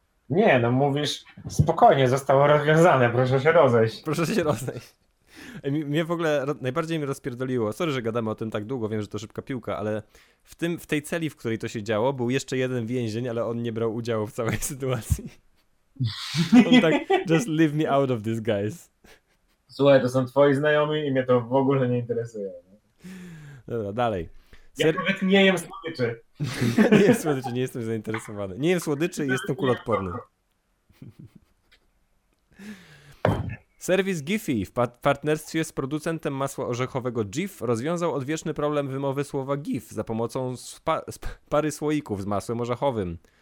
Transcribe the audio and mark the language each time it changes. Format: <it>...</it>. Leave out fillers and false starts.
<pl>Nie, no mówisz, spokojnie, zostało rozwiązane, proszę się rozejść. Proszę się rozejść. Mnie w ogóle najbardziej mnie rozpierdoliło, sorry, że gadamy o tym tak długo, wiem, że to szybka piłka, ale w tej celi, w której to się działo, był jeszcze jeden więzień, ale on nie brał udziału w całej sytuacji. On tak,</pl> <en>just leave me out of this, guys.</en> <pl>Słuchaj, to są twoi znajomi i mnie to w ogóle nie interesuje. Dobra, dalej. Ja nawet nie jem słodyczy. Nie jem słodyczy, nie jestem zainteresowany. Nie jem słodyczy i jestem kuloodporny. Serwis Giphy w partnerstwie z producentem masła orzechowego GIF rozwiązał odwieczny problem wymowy słowa GIF za pomocą pary słoików z masłem orzechowym.</pl>